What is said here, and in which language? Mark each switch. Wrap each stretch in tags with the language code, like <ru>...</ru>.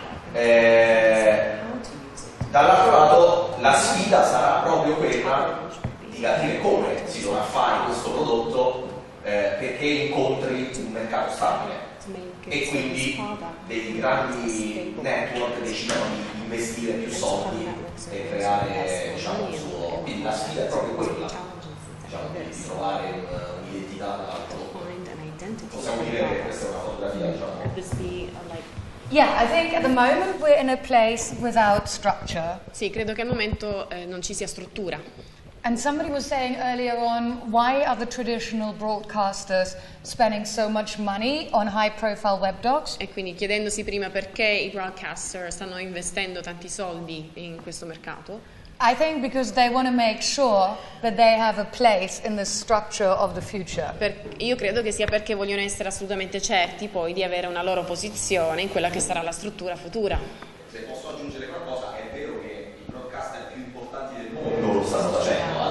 <it>Dall'altro lato la sfida sarà proprio quella di capire come si dovrà fare questo prodotto perché incontri un mercato stabile e quindi dei grandi network decidono di investire più soldi e creare, diciamo, il suo. Quindi la sfida è proprio quella, diciamo, di trovare un'identità dall'altro. Possiamo dire che questa è una fotografia, diciamo.</it> <en>Yeah, I think at the moment we're in a place without structure.</en> <it>Sì, credo che al momento non ci sia struttura.</it> <en>And somebody was saying earlier on, why are the traditional broadcasters spending so much money on high-profile web docs?</en> <it>E quindi chiedendosi prima perché i broadcaster stanno investendo tanti soldi in questo mercato.</it> <en>I think because they want to make sure that they have a place in the structure of the future.</en> <it>Io credo che sia perché vogliono essere assolutamente certi poi di avere una loro posizione in quella che sarà la struttura futura. Se posso aggiungere qualcosa, è vero che i broadcaster più importanti del mondo lo stanno facendo.</it>